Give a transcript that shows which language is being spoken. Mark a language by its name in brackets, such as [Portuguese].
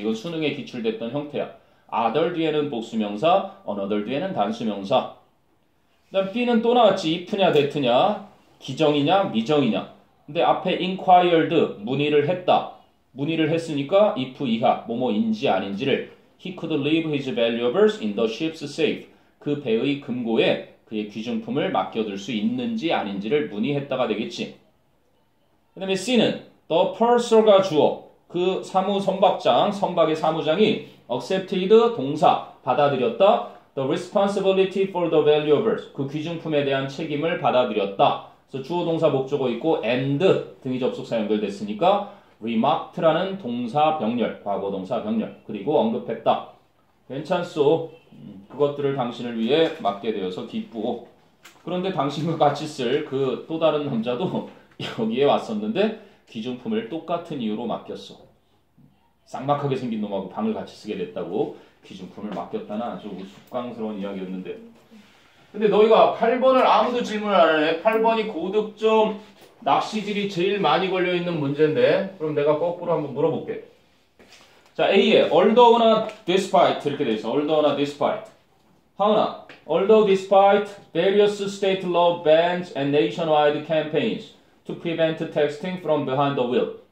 [Korean] 이건 수능에 기출됐던 형태야. other 뒤에는 복수 명사, another 뒤에는 단수 명사. 그 다음 B는 또 나왔지. if냐, that냐, 기정이냐, 미정이냐. 근데 앞에 inquired, 문의를 했다. 문의를 했으니까 if 이하, 뭐뭐인지 아닌지를. [English] He could leave his valuables in the ship's safe. [Korean] 그 배의 금고에 그의 귀중품을 맡겨둘 수 있는지 아닌지를 문의했다가 되겠지. 그 다음에 C는 the purser가 주어. 그 사무 선박장, 선박의 사무장이 accepted 동사, 받아들였다. [English] The responsibility for the valuables. [Korean] 그 귀중품에 대한 책임을 받아들였다. 그래서 주어 동사 목적어 있고 and 등이 접속사 연결됐으니까 remarked라는 동사 병렬, 과거 동사 병렬, 그리고 언급했다. 괜찮소. 그것들을 당신을 위해 맡게 되어서 기쁘고. 그런데 당신과 같이 쓸그또 다른 남자도 여기에 왔었는데 귀중품을 똑같은 이유로 맡겼어. 쌍막하게 생긴 놈하고 방을 같이 쓰게 됐다고 귀중품을 맡겼다는 아주 우스꽝스러운 이야기였는데. 근데 너희가 8번을 아무도 질문을 안 해. 8번이 고득점 낚시질이 제일 많이 걸려있는 문제인데, 그럼 내가 거꾸로 한번 물어볼게. [English] 자, A에, although not despite, [Korean] 이렇게 돼 있어. [English] although not despite. 하은아, although despite various state law bans and nationwide campaigns to prevent texting from behind the wheel.